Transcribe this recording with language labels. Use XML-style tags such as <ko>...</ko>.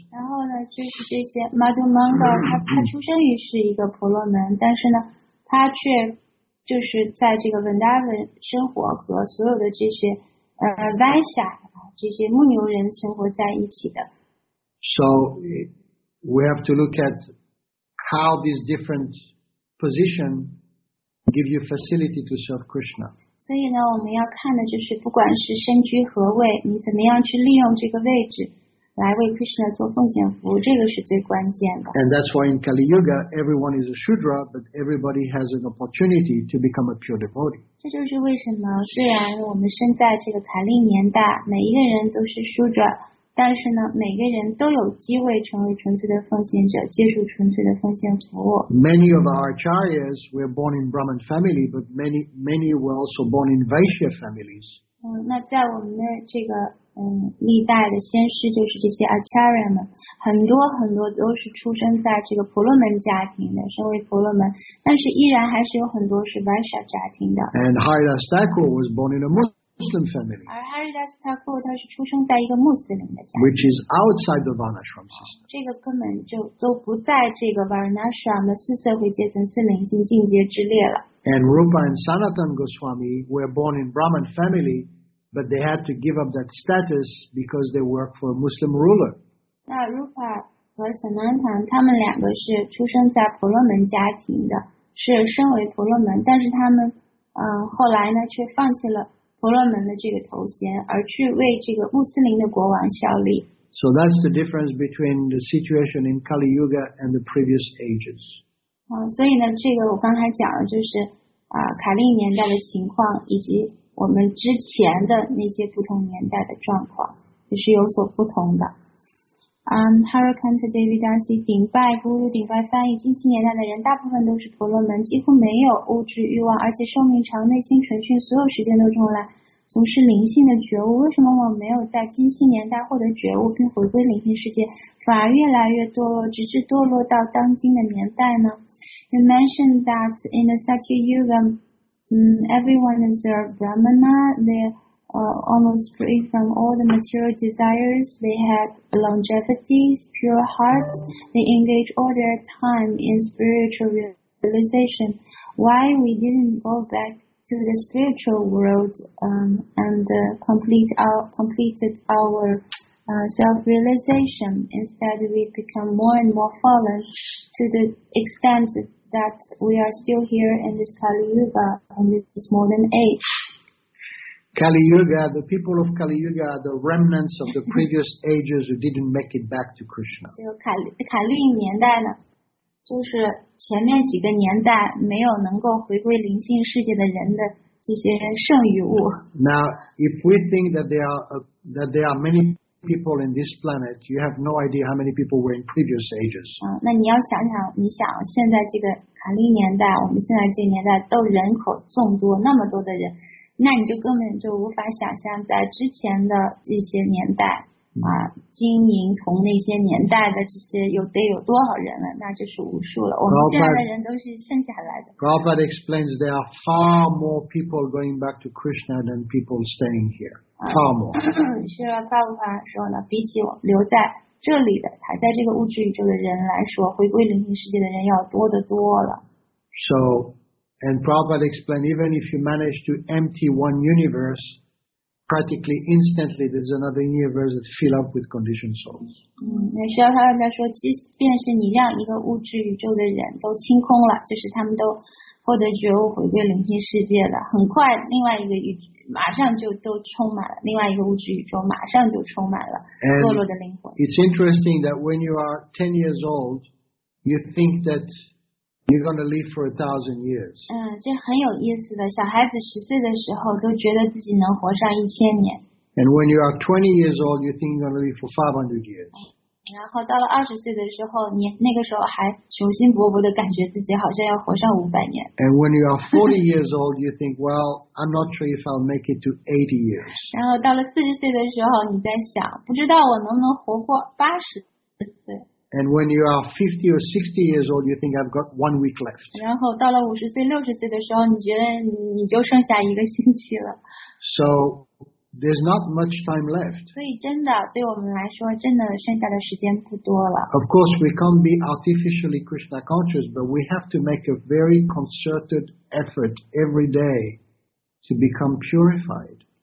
<zh>然后呢，就是这些 Madhu Mangal， 他出生于是一个婆罗门，但是呢，他却就是在这个 Vrindavan 生活，和所有的这些Vaishya 这些牧牛人生活在一起的。</zh> <en>So we have to look at how these different positions give you facility to serve Krishna.</en> <zh>所以呢，我们要看的就是，不管是身居何位，你怎么样去利用这个位置来为 Krishna 做奉献服务，这个是最关键的。</zh> <en>And that's why in Kali Yuga, everyone is a Shudra, but everybody has an opportunity to become a pure devotee.</en> <zh>这就是为什么，虽然我们身在这个财力年代，每一个人都是 Shudra， 但是呢，每个人都有机会成为纯粹的奉献者，接受纯粹的奉献服务。</zh> <en>Many of our acharyas were born in Brahmin family, but many were also born in Vaishya families.</en> <zh>那在我们的这个历代的先师，就是这些 acharya 们，很多很多都是出生在这个婆罗门家庭的，身为婆罗门，但是依然还是有很多是 Vaishya 家庭的。</zh> <en>And Haridas Thakur was born in a Muslim family.</en> <zh>而 Haridas Thakur 他是出生在一个穆斯林的家庭</zh> <en>，which is outside the Varnashram system.</en> <zh>这个根本就都不在这个 Varnashram 的四社会阶层四灵性境界之列了。</zh> <en>And Rupa and Sanatan Goswami were born in Brahmin family. But they had to give up that status because they work for a Muslim ruler.</en> <zh>那 Rupa 和 Sanatan 他们两个是出生在婆罗门家庭的，是身为婆罗门，但是他们后来呢却放弃了婆罗门的这个头衔，而去为这个穆斯林的国王效力。</zh> <en>So that's the difference between the situation in Kali Yuga and the previous ages.</en> <zh>所以呢，这个我刚才讲的就是卡利年代的情况以及。我们之前的那些不同年代的状况也是有所不同的。 Harikanta Devi Dasi, Dingbai Guru, Dingbai 翻译，近期年代的人大部分都是婆罗门，几乎没有物质欲望，而且寿命长，内心纯净，所有时间都用来从事灵性的觉悟。为什么我没有在近期年代获得觉悟，并回归灵性世界，反而越来越堕落，直至堕落到当今的年代呢？</zh> <en>You mentioned that in the Satya Yuga, everyone is a Brahmana. They almost free from all the material desires. They have longevity, pure hearts. They engage all their time in spiritual realization. Why we didn't go back to the spiritual world and completed our self-realization? Instead, we become more and more fallen to the extent that we are still here in this Kali Yuga, in this modern age. Kali Yuga, the people of Kali Yuga are the remnants of the previous ages who didn't make it back to Krishna.</en> <zh>卡利年代呢，就是前面几个年代没有能够回归灵性世界的人的这些剩余物。</zh> <en>Now, if we think that there are many people in this planet, you have no idea how many people were in previous ages.</en> <zh>那你要想想，你想现在这个卡利年代，我们现在这个年代都人口众多，那么多的人。那你就根本就无法想象在之前的这些年代啊，金银铜那些年代的这些有得有多少人了，那就是无数了。我们现在的人都是剩下来的。</zh> <en>Prabhupada explains there are far more people going back to Krishna than people staying here. Far more.</en> <zh>是啊，巴布巴说呢，比起我留在这里的，还在这个物质宇宙的人来说，回归灵性世界的人要多得多了。</zh> <en>So. And Prabhupada explained, even if you manage to empty one universe, practically instantly there's another universe that fills up with conditioned souls.</en> <zh>那时候他们在说，即便是你让一个物质宇宙的人都清空了，就是他们都获得觉悟，回归灵性世界了，很快另外一个宇马上就都充满了，另外一个物质宇宙马上就充满了堕落的灵魂。</zh> <en>It's interesting that when you are 10 years old, you think that. You're going to live for 1,000 years.</en> <zh>这很有意思的。小孩子十岁的时候都觉得自己能活上一千年。</zh> <en>And when you are 20 years old, you think you're going to live for 500 years.</en> <zh>然后到了二十岁的时候，你那个时候还雄心勃勃的感觉自己好像要活上500年。</zh> <en>And when you are 40 years old, you think, well, I'm not sure if I'll make it to 80 years.</en> <zh>然后到了四十岁的时候，你在想，不知道我能不能活过80岁。</zh> <en>And when you are 50 or 60 years old, you think I've got 1 week left.</en> <zh>然后到了50岁、60岁的时候，你觉得你就剩下一个星期了。</zh> <en>So there's not much time left.</en> <zh>所以真的对我们来说，真的剩下的时间不多了。</zh> <en>Of course, we can't be artificially Krishna conscious, but we have to make a very concerted effort every day to become purified.</en>